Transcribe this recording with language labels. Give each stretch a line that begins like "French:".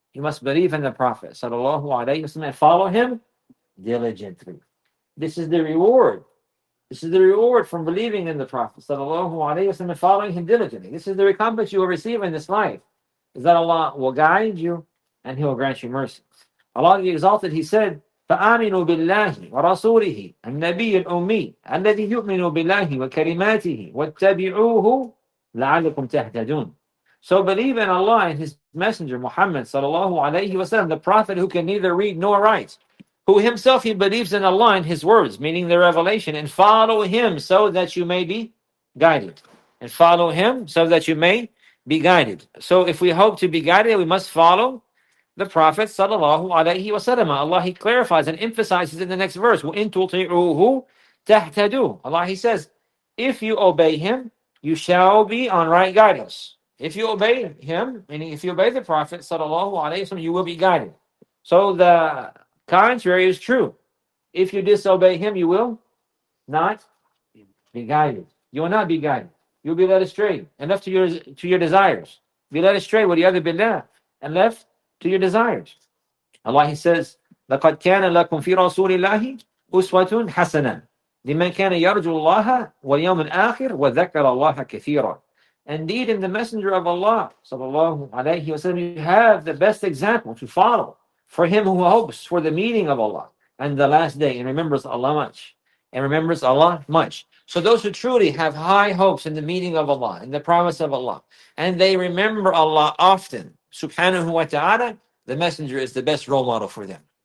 English: You must believe in the Prophet sallallahu alayhi wasallam and follow him diligently. This is the reward. This is the reward from believing in the Prophet sallallahu alayhi wasallam and following him diligently. This is the recompense you will receive in this life, is that Allah will guide you and he will grant you mercy. Allah the Exalted, he said,
Arabic: فَآمِنُوا بِاللَّهِ وَرَسُولِهِ النَّبِيِّ الْأُمِّيِّ الَّذِي يُؤْمِنُوا بِاللَّهِ وَكَلِمَاتِهِ وَاتَّبِعُوهُ لَعَلَّكُمْ تَهْتَدُونَ.
English: So believe in Allah and his messenger, Muhammad sallallahu alayhi wa sallam, the prophet who can neither read nor write, who himself he believes in Allah and his words, meaning the revelation, and follow him so that you may be guided. And follow him so that you may be guided. So if we hope to be guided, we must follow the Prophet sallallahu alayhi wa sallam. Allah, he clarifies and emphasizes in the next verse,
Arabic: وَإِن تُطِعُوهُ تَحْتَدُوا.
English: Allah, he says, if you obey him, you shall be on right guidance. If you obey him, meaning if you obey the Prophet sallallahu alayhi wa sallam, you will be guided. So the contrary is true. If you disobey him, you will not be guided. You will not be guided. You will be led astray and left to your desires. Be led astray with the other billah and left to your desires. Allah, he says,
Arabic: لَقَدْ كَانَ لَكُمْ فِي رَسُولِ اللَّهِ أُسْوَةٌ حَسَنًا لِمَنْ كَانَ يَرْجُ اللَّهَ وَالْيَوْمَ الْآخِرِ وَذَكَّرَ اللَّهَ كَثِيرًا.
English: Indeed, in the Messenger of Allah sallallahu alayhi wa sallam, you have the best example to follow for him who hopes for the meeting of Allah and the last day and remembers Allah much. And remembers Allah much. So those who truly have high hopes in the meeting of Allah and the promise of Allah, and they remember Allah often, subhanahu wa ta'ala, the Messenger is the best role model for them.